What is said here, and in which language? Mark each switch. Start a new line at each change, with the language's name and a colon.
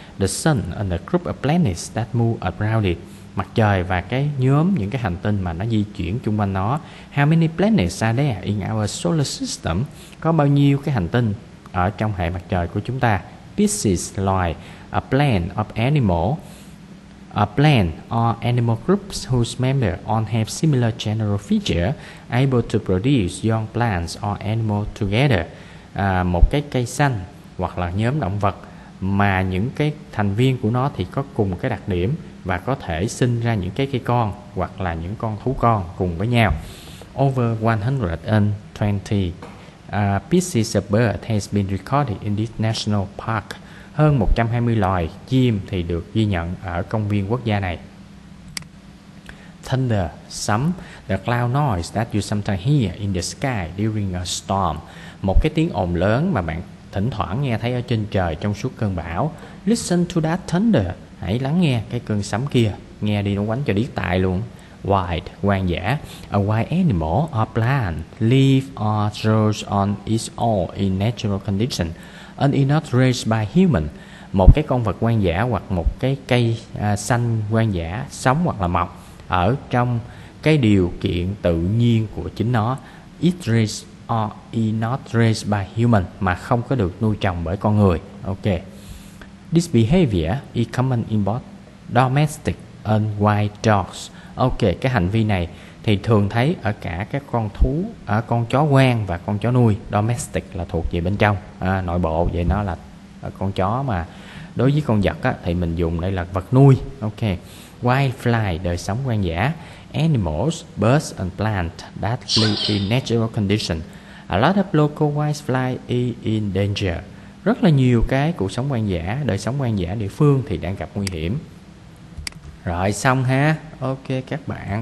English: The sun and a group of planets that move around it.
Vietnamese: Mặt trời và cái nhóm những cái hành tinh mà nó di chuyển chung quanh nó.
English: How many planets are there in our solar system?
Vietnamese: Có bao nhiêu cái hành tinh ở trong hệ mặt trời của chúng ta?
English: Species, loài. A plan of animal. A plant or animal groups whose members all have similar general features able to produce young plants or animals together.
Vietnamese: Một cái cây xanh hoặc là nhóm động vật mà những cái thành viên của nó thì có cùng cái đặc điểm và có thể sinh ra những cái cây con hoặc là những con thú con cùng với nhau.
English: Over 120 pieces of bird has been recorded in this national park.
Vietnamese: Hơn 120 loài chim thì được ghi nhận ở công viên quốc gia này.
English: Thunder, sấm, the cloud noise that you sometimes hear in the sky during a storm.
Vietnamese: Một cái tiếng ồn lớn mà bạn thỉnh thoảng nghe thấy ở trên trời trong suốt cơn bão.
English: Listen to that thunder.
Vietnamese: Hãy lắng nghe cái cơn sấm kia. Nghe đi nó quánh cho điếc tai luôn.
English: Wild, hoang dã. A wild animal or plant live or grows on its own in natural condition, not raised by human.
Vietnamese: Một cái con vật hoang dã hoặc một cái cây xanh hoang dã sống hoặc là mọc ở trong cái điều kiện tự nhiên của chính nó.
English: It raised or not raised by human,
Vietnamese: mà không có được nuôi trồng bởi con người. Ok.
English: This behavior is common in both domestic and wild dogs.
Vietnamese: Ok, cái hành vi này thì thường thấy ở cả các con thú, ở con chó hoang và con chó nuôi. Domestic là thuộc về bên trong, nội bộ, vậy nó là con chó mà đối với con vật á, thì mình dùng đây là vật nuôi. Ok. Wildfly, đời sống hoang dã.
English: Animals, birds and plants that live in natural condition. A lot of local wildfly is in danger.
Vietnamese: Rất là nhiều cái cuộc sống hoang dã, đời sống hoang dã địa phương thì đang gặp nguy hiểm. Rồi xong ha. Ok các bạn.